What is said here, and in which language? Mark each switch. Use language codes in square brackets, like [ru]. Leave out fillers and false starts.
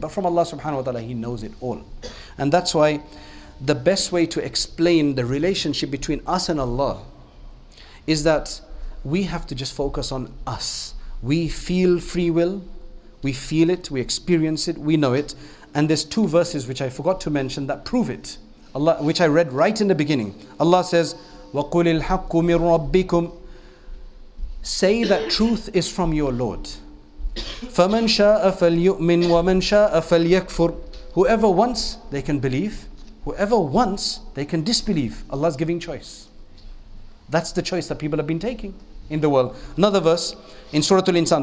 [en] But from Allah subhanahu wa ta'ala, He knows it all. And that's why the best way to explain the relationship between us and Allah is that we have to just focus on us. We feel free will. We feel it. We experience it. We know it. And there's two verses which I forgot to mention that prove it. Allah, which I read right in the beginning. Allah says, [ar] وَقُلِ الْحَقُّ مِنْ رَبِّكُمْ. [en] Say that truth is from your Lord. [ar] فَمَنْ شَاءَ فَلْيُؤْمِنْ وَمَنْ شَاءَ فَلْيَكْفُرْ. [en] Whoever wants, they can believe. Whoever wants, they can disbelieve. Allah's giving choice. That's the choice that people have been taking in the world. Another verse in Surah Al-Insan.